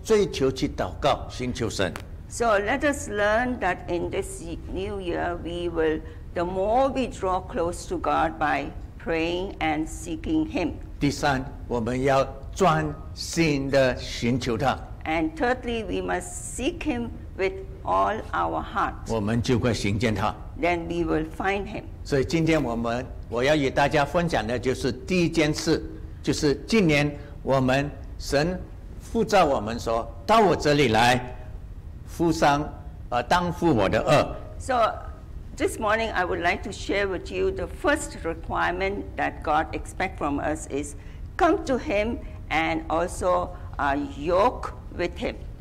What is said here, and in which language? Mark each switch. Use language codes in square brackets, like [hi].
[zh] 所以让我们今这一年，我们教会，我们领袖，我们应该多多追求去祷告，寻求神。 [en] So let us learn that in this new year, we will the more we draw close to God by praying and seeking Him. [zh] 第三，我们要专心的寻求他。 [en] And thirdly, we must seek Him with all our hearts. [zh] 我们就会寻见他。 [en] Then we will find Him. [zh] 所以今天我要与大家分享的就是第一件事, 就是今年我们神呼召我们说, 到我这里来, 付上, 当付我的轭。 [en] So this morning, I would like to share with you the first requirement that God expects from us is come to Him and also yoke with Him.